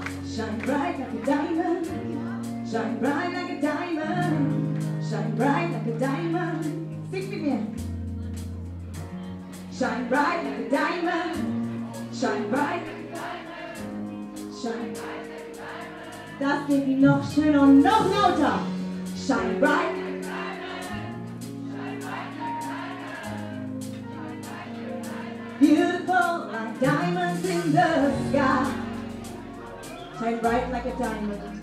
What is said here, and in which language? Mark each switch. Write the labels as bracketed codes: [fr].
[en] Shine bright like a diamond. Shine bright like a diamond. Sing with me. Shine bright like a diamond. Shine bright like a diamond. Shine bright like a diamond. [de] Das geht noch schöner, noch lauter. [en] Shine bright like a diamond. Shine bright like a diamond. Shine bright like a diamond. Beautiful like diamonds in the sky. Shine bright like a diamond.